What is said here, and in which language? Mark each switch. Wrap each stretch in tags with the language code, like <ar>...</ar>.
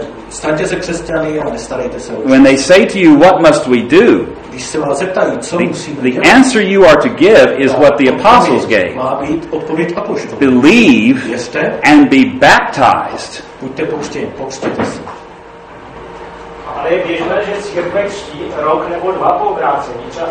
<cs>Staňte se křesťany a nestarejte se o</cs> <en>When they say to you, what must we do?</en> <cs>Když se vás zeptají, co musíme</cs> <en>The answer you are to give is what the apostles gave.</en> <cs>Má být odpověď apoštolů.</cs> <en>Believe</en> <cs>Věřte.</cs> <en>And be baptized.</en> <cs>Buďte pokřtěni, pokřtěte se. Ale je běžné, že církve křtí rok nebo dva po obrácení.</cs>